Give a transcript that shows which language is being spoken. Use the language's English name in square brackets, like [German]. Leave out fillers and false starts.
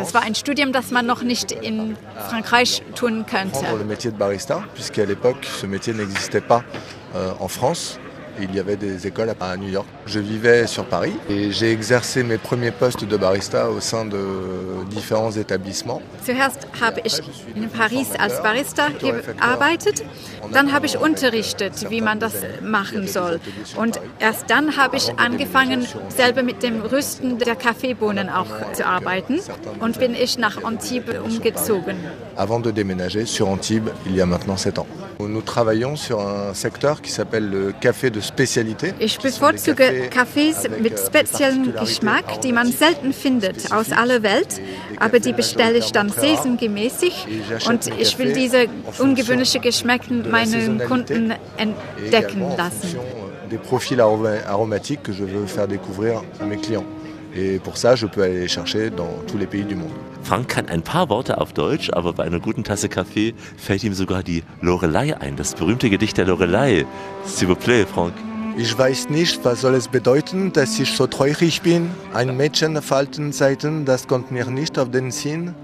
[German] Das war ein Studium, das man noch nicht in Frankreich tun könnte. [French] Le métier de barista, puisqu'à l'époque ce métier n'existait pas en France. Il y avait des écoles à New York. Je vivais sur Paris et j'ai exercé mes premiers postes de barista au sein de différents établissements. [German] Zuerst habe ich in Paris als Barista gearbeitet. Dann habe ich unterrichtet, wie man das machen soll. Und erst dann habe ich angefangen, selber mit dem Rüsten der Kaffeebohnen auch zu arbeiten und bin ich nach Antibes umgezogen. [French] Avant de déménager sur Antibes il y a maintenant 7 ans. Nous travaillons sur un secteur qui s'appelle le café de spécialité. [German] Ich bevorzuge Kaffees mit speziellen Geschmack, die man selten findet aus aller Welt, aber die bestelle ich dann saisongemäßig und ich will diese ungewöhnlichen Geschmäcken meinen Kunden entdecken lassen. [French] Des profils aromatiques que je veux faire découvrir à mes clients. Et pour ça, je peux aller chercher dans tous les pays du monde. [German] Frank kann ein paar Worte auf Deutsch, aber bei einer guten Tasse Kaffee fällt ihm sogar die Lorelei ein, das berühmte Gedicht der Lorelei. [French] S'il vous plaît, Frank. [German] Ich weiß nicht, was soll es bedeuten, dass ich so traurig bin. Ein Mädchen auf alten Zeiten, das kommt mir nicht auf den Sinn.